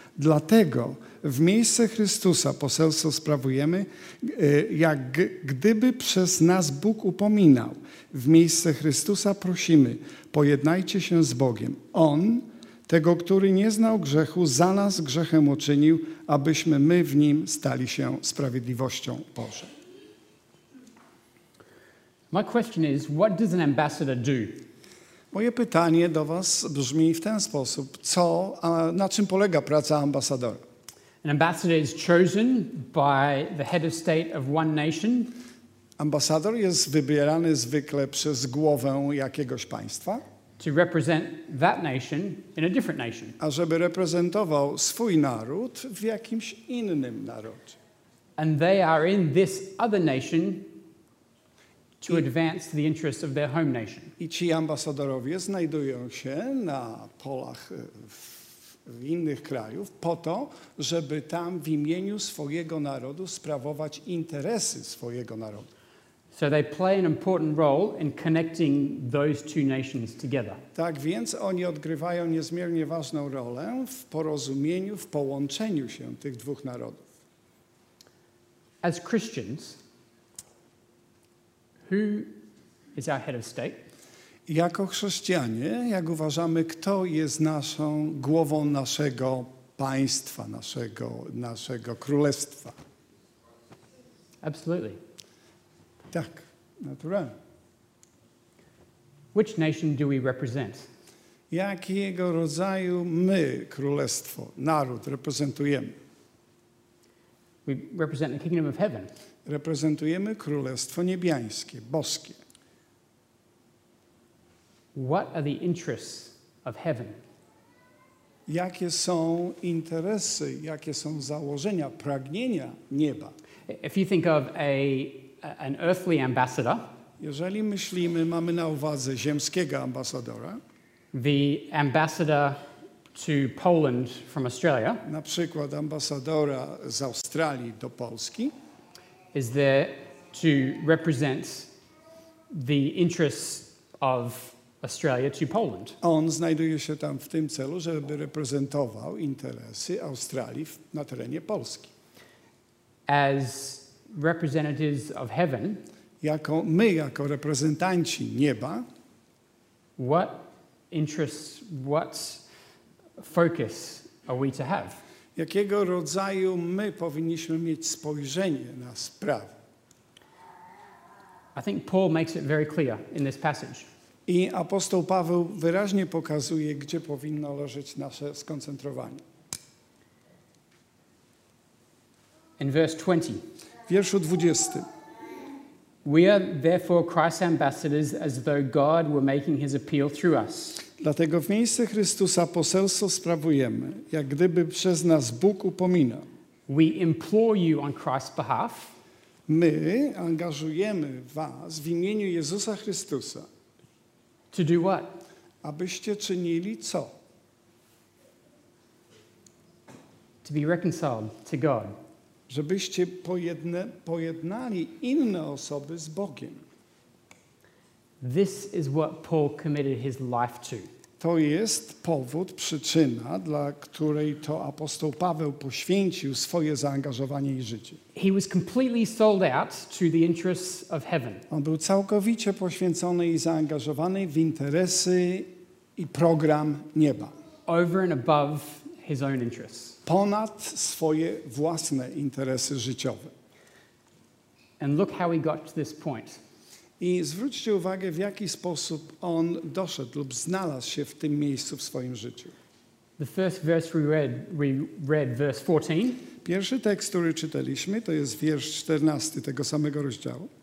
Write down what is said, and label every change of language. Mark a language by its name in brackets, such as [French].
[Polish] Dlatego w miejsce Chrystusa poselstwo sprawujemy, jak gdyby przez nas Bóg upominał. W miejsce Chrystusa prosimy, pojednajcie się z Bogiem. On, tego, który nie znał grzechu, za nas grzechem uczynił, abyśmy my w nim stali się sprawiedliwością Bożą. [English] My question is, what does an ambassador do? [Polish] Moje pytanie do was brzmi w ten sposób. Na czym polega praca ambasadora? [English] An ambassador is chosen by the head of state of one nation. [Polish] Ambasador jest wybierany zwykle przez głowę jakiegoś państwa. [English] To represent that nation in a different nation. [Polish] A żeby reprezentował swój naród w jakimś innym narodzie. [English] And they are in this other nation to advance the interests of their home nation. [Polish] I ci ambasadorowie znajdują się na polach w innych krajów po to, żeby tam w imieniu swojego narodu sprawować interesy swojego narodu. [English] So they play an important role in connecting those two nations together. [Polish] Tak więc oni odgrywają niezmiernie ważną rolę w porozumieniu, w połączeniu się tych dwóch narodów. [English] As Christians, who is our head of state? [Polish] Jako chrześcijanie, jak uważamy, kto jest naszą głową naszego państwa, naszego królestwa? [English] Absolutely. [Polish] Tak, naturalnie. [English] Which nation do we represent? [Polish] Jakiego rodzaju my, królestwo, naród, reprezentujemy? [English] We represent the kingdom of heaven. [Polish] Reprezentujemy królestwo niebiańskie, boskie. [English] What are the interests of heaven? [Polish] Jakie są interesy, jakie są założenia, pragnienia nieba? [English] If you think of an earthly ambassador, [Polish] jeżeli myślimy, mamy na uwadze ziemskiego ambasadora, [English] the ambassador to Poland from Australia, [Polish] na przykład ambasadora z Australii do Polski, [English] is there to represent the interests of Australia to Poland. [Polish] On znajduje się tam w tym celu, żeby reprezentował interesy Australii na terenie Polski. [English] As representatives of heaven, [Polish] jako my, jako reprezentanci nieba, [English] what interests, what focus are we to have? [Polish] Jakiego rodzaju my powinniśmy mieć spojrzenie na sprawę? [English] I think Paul makes it very clear in this passage. [Polish] I apostoł Paweł wyraźnie pokazuje, gdzie powinno leżeć nasze skoncentrowanie. [English] In verse 20. [Polish] W wierszu 20. [English] We are therefore Christ's ambassadors, as though God were making his appeal through us. [Polish] Dlatego w miejsce Chrystusa poselstwo sprawujemy, jak gdyby przez nas Bóg upomina. [English] We implore you on Christ's behalf. [Polish] My angażujemy was w imieniu Jezusa Chrystusa. [English] To do what? [Polish] Abyście czynili co? [English] To be reconciled to God. [Polish] Żebyście pojednali inne osoby z Bogiem. [English] This is what Paul committed his life to. [Polish] To jest powód, przyczyna, dla której to apostoł Paweł poświęcił swoje zaangażowanie i życie. [English] He was completely sold out to the interests of heaven. [Polish] On był całkowicie poświęcony i zaangażowany w interesy i program nieba. [English] Over and above his own interests. [Polish] Ponad swoje własne interesy życiowe. [English] And look how he got to this point. [Polish] I zwróćcie uwagę, w jaki sposób on doszedł lub znalazł się w tym miejscu w swoim życiu. [English] The first verse we read verse 14. [Polish] Pierwszy tekst, który czytaliśmy, to jest wiersz 14 tego samego rozdziału.